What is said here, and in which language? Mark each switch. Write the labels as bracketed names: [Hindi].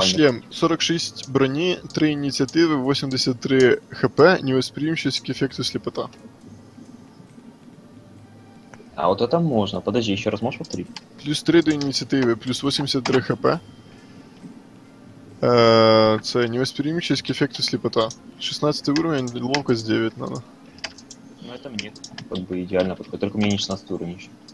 [Ukrainian] шлем 46 броні, 3 ініціативи, 83 хп, невосприимчивість к ефекту сліпота. [Russian] А от это можно, подожди, [Ukrainian] ще раз можеш повторити? Плюс 3 до ініціативи, плюс 83 хп. Це невосприимчивість к ефекту сліпота. [Russian] 16 уровень, ловкость 9 надо. Ну это мне как бы идеально подходит, только у меня не 16 уровень еще.